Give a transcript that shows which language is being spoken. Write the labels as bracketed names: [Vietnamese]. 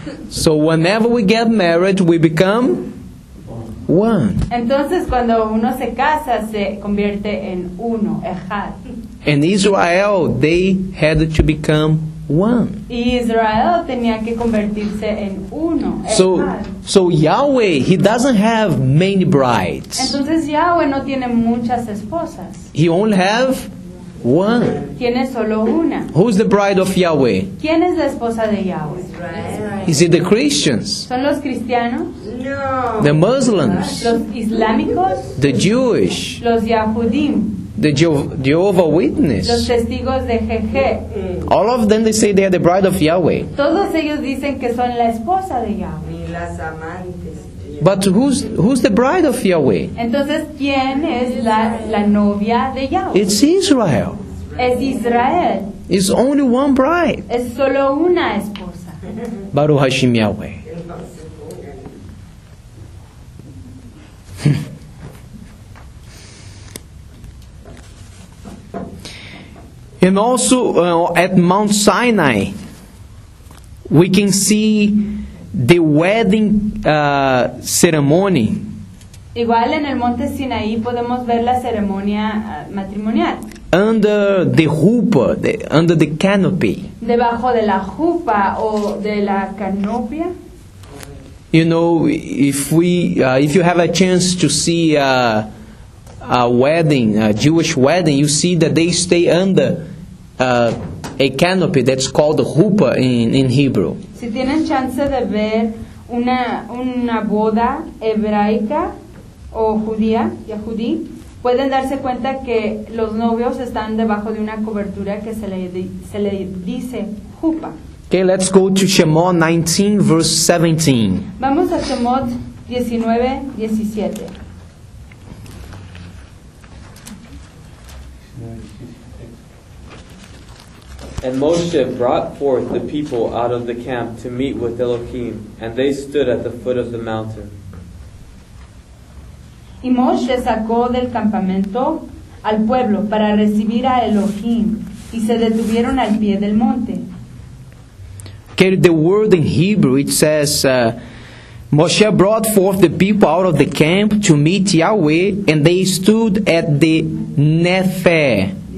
[English] So whenever we get married, we become one. [Spanish] Entonces, cuando uno se casa, se convierte en uno, ejad. [English] And Israel, they had to become one. [Spanish] Y Israel tenía que convertirse en uno. [English] So Yahweh, he doesn't have many brides. [Spanish] Entonces Yahweh no tiene muchas esposas. [English] He only have One. [Spanish] Tiene solo una. [English] Who's the bride of Yahweh? [Spanish] ¿Quién es la esposa de Yahweh? [English] Israel. Is it the Christians? [Spanish] ¿Son los cristianos? [English] No. The Muslims? [Spanish] ¿Los islámicos? [English] The Jewish? [Spanish] ¿Los Yahudim? [English] The Jehovah Witness. [Spanish] Los testigos de Jehe. [English] All of them, they say they are the bride of Yahweh. [Spanish] Todos ellos dicen que son la esposa de Yahweh. Y las amantes. [English] But who's the bride of Yahweh? [Spanish] Entonces, ¿quién es la novia de Yahweh? [English] It's Israel. [Spanish] Es Israel. [English] It's only one bride. [Spanish] Es solo una esposa. [Hebrew] Baruch Hashem Yahweh. [English] And also at Mount Sinai, we can see the wedding ceremony. [Spanish] Igual en el Monte Sinaí podemos ver la ceremonia matrimonial. [English] Under the hoopah, under the canopy. [Spanish] Debajo de la jupa o de la canopia. [English] You know, if you have a chance to see a wedding, a Jewish wedding, you see that they stay under a canopy that's called the hoopah in Hebrew. [Spanish] Si tienen chance de ver una boda hebraica o judía, yahudí, pueden darse cuenta que los novios están debajo de una cobertura que se le dice hoopah. [English] Okay, let's go to Shemot 19, verse 17. [Spanish] Vamos a Shemot 19:17. [English] And Moshe brought forth the people out of the camp to meet with Elohim, and they stood at the foot of the mountain. [Spanish] Y Moshe sacó del campamento al pueblo para recibir a Elohim, y se detuvieron al pie del monte. [English] Okay, the word in Hebrew, it says, Moshe brought forth the people out of the camp to meet Yahweh, and they stood at the Nefer.